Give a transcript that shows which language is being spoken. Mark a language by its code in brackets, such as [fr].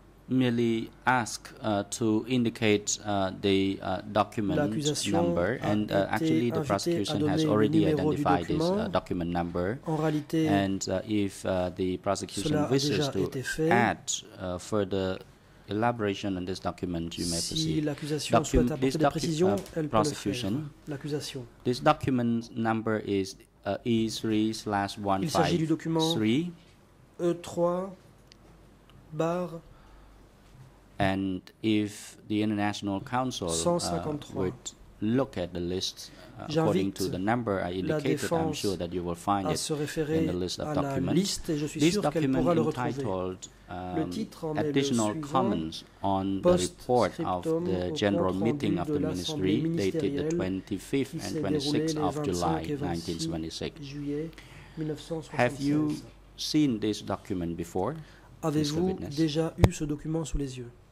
[en] merely ask to indicate the document number, and actually the prosecution has already identified this document number. [fr] En réalité, [en] and if the prosecution wishes to add further elaboration on this document, you may proceed. [fr] Si l'accusation souhaite apporter des précisions, elle peut le faire. L'accusation. [en] This document number is E3/153. [fr] Il s'agit du document E3/153. [en] And if the International Council would look at the list according to the number I indicated, I'm sure that you will find it in the list of documents. This document entitled Additional Comments on the Report of the General Meeting of the Ministry, dated the 25th and 26th of July 1926. Have you seen this document before? Avez-vous déjà eu ce document sous les yeux?